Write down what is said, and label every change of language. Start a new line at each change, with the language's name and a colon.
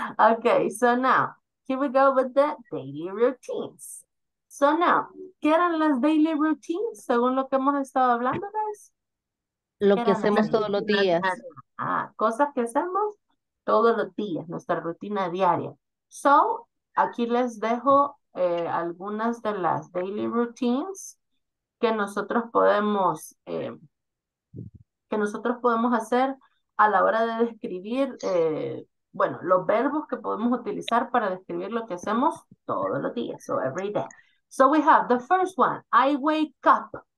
English: Okay, so now, here we go with the daily routines.
Spanish: So now, ¿qué eran las daily routines según lo que hemos estado hablando, guys? Lo que hacemos todos los días. Cosas que hacemos todos los días, nuestra rutina diaria. So, aquí les dejo algunas de las daily routines que nosotros podemos hacer a la hora de describir, bueno, los verbos que podemos utilizar para describir lo que hacemos todos los días,
English: so every day. So we have the first one, I wake up.